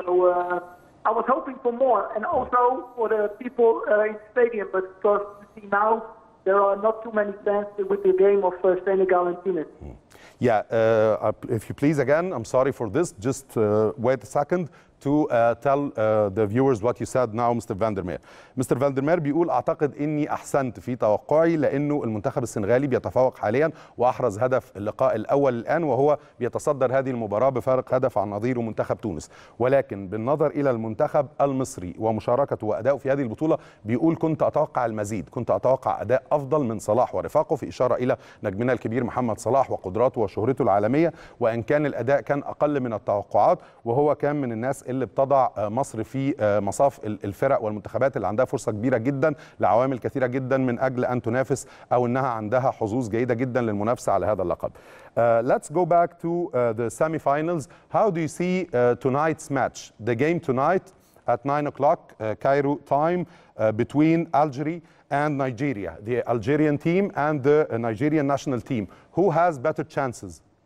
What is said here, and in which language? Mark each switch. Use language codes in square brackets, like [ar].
[en] So I was hoping for more, and also for the people in the stadium. But of course, you see now, there are not too many fans with the game of Senegal and Tunis. Yeah, if you please again, I'm sorry for this. Just wait a second. To tell the viewers what you said now, Mr. Vandermeer. Mr. [ar] Vandermeer بيقول أعتقد إني أحسنت في توقعي لأنه المنتخب السنغالي بيتفوق حاليا وأحرز هدف اللقاء الأول الآن وهو بيتصدر هذه المباراة بفارق هدف عن نظيره منتخب تونس، ولكن بالنظر إلى المنتخب المصري ومشاركته وأدائه في هذه البطولة بيقول كنت أتوقع المزيد، كنت أتوقع أداء أفضل من صلاح ورفاقه، في إشارة إلى نجمنا الكبير محمد صلاح وقدراته وشهرته العالمية، وإن كان الأداء كان أقل من التوقعات وهو كان من الناس اللي بتضع مصر في مصاف الفرق والمنتخبات اللي عندها فرصة كبيرة جدا لعوامل كثيرة جدا من أجل أن تنافس أو أنها عندها حظوظ جيدة جدا للمنافسة على هذا اللقب. [en] Let's go back to the semi-finals. How do you see tonight's match? The game tonight at 9 o'clock Cairo time between Algeria and Nigeria. The Algerian team and the Nigerian national team. Who has better chances?